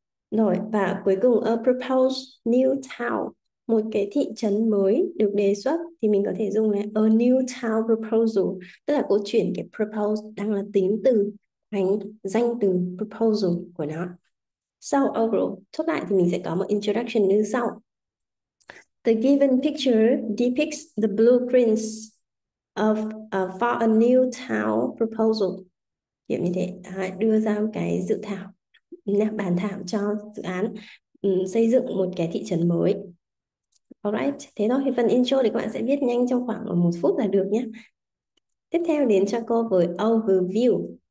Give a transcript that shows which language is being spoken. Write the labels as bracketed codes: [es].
[vi] Rồi và cuối cùng [en] a proposed new town, [vi] một cái thị trấn mới được đề xuất thì mình có thể dùng là [en] a new town proposal, [vi] tức là cô chuyển cái propose đang là tính từ thành danh từ proposal của nó. Sau overall, chốt lại thì mình sẽ có một introduction như sau. [en] The given picture depicts the blueprints of for a new town proposal. [vi] Kiểu như thế, đưa ra một cái dự thảo, bản thảo cho dự án xây dựng một cái thị trấn mới. [en] Alright, [vi] thế thôi. Phần intro thì các bạn sẽ viết nhanh trong khoảng 1 phút là được nhé. Tiếp theo đến cho cô với overview.